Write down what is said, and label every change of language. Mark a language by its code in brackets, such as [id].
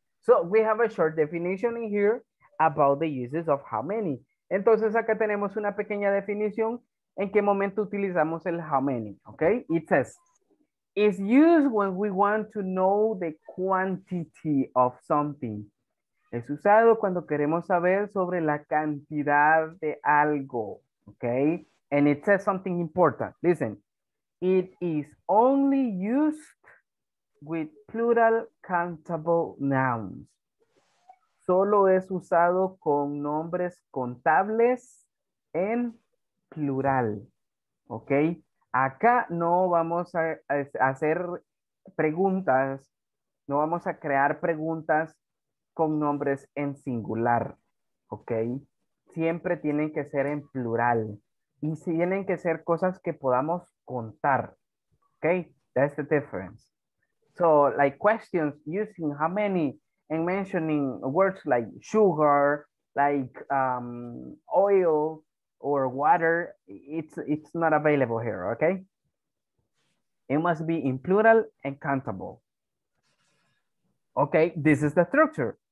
[en] So we have a short definition in here about the uses of how many. [es] Entonces acá tenemos una pequeña definición en qué momento utilizamos el how many. Okay? [en] It says, it's used when we want to know the quantity of something. [es] Es usado cuando queremos saber sobre la cantidad de algo. [en] Okay? And it says something important. Listen, it is only used with plural countable nouns. [es] Solo es usado con nombres contables en plural. Ok. Acá no vamos a hacer preguntas. No vamos a crear preguntas con nombres en singular. Ok. Siempre tienen que ser en plural. Y tienen que ser cosas que podamos contar. [en] Ok. That's the difference. So, like questions using how many and mentioning words like sugar, like oil or water, it's not available here, okay? It must be in plural and countable. Okay, this is the structure.